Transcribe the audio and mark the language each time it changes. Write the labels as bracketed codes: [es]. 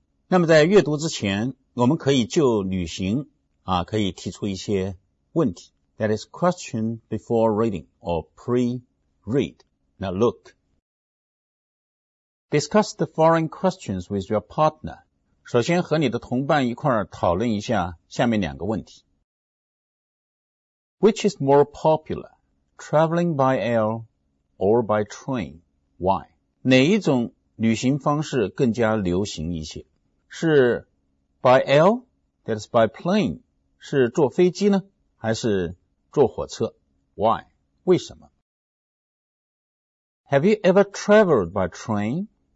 [zh] 那么在阅读之前，我们可以就旅行啊，可以提出一些问题。 [en] That is question before reading or pre-read. Now look. Discuss the following questions with your partner. [zh] 首先和你的同伴一块讨论一下下面两个问题。 [en] Which is more popular, traveling by air or by train? Why? [zh] 哪一种旅行方式更加流行一些？ [en] 是 by air, that is by plane, [zh] 是坐飞机呢？还是坐火车？ [en] Why? [zh] 为什么？ [en] Have you ever traveled by train?